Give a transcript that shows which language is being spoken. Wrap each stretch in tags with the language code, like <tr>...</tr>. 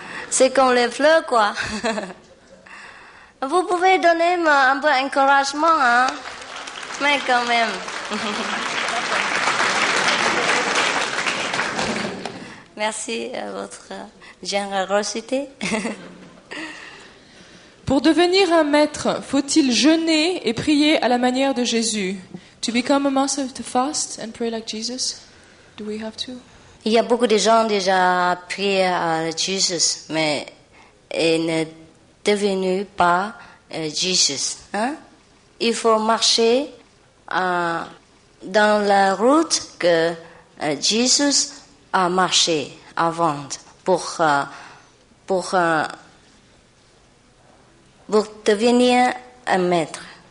<fr>C'est comme les fleurs, quoi. Vous pouvez donner un peu d'encouragement, hein? Mais quand même. Merci à votre générosité. Pour devenir un maître, faut-il jeûner et prier à la manière de Jésus?</fr> <en>To become a master, to fast and pray like Jesus? Do we have to?</en> <fr>Il y a beaucoup de gens déjà prié à Jésus, mais ils ne devenu pas Jésus. Hein? Il faut marcher dans la route que Jésus a marché avant pour devenir un maître.</fr>